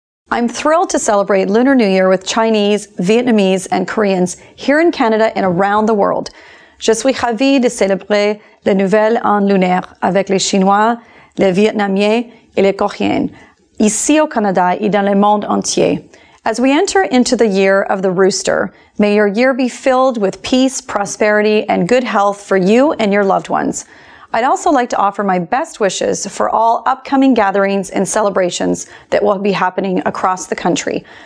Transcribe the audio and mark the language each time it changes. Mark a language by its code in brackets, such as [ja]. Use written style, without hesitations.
[en] I'm thrilled to celebrate Lunar New Year with Chinese, Vietnamese, and Koreans here in Canada and around the world. [fr] Je suis ravie de célébrer le nouvel an lunaire avec les Chinois, les Vietnamiens et les Coréens, ici au Canada et dans le monde entier. [en] As we enter into the year of the rooster, may your year be filled with peace, prosperity, and good health for you and your loved ones. I'd also like to offer my best wishes for all upcoming gatherings and celebrations that will be happening across the country.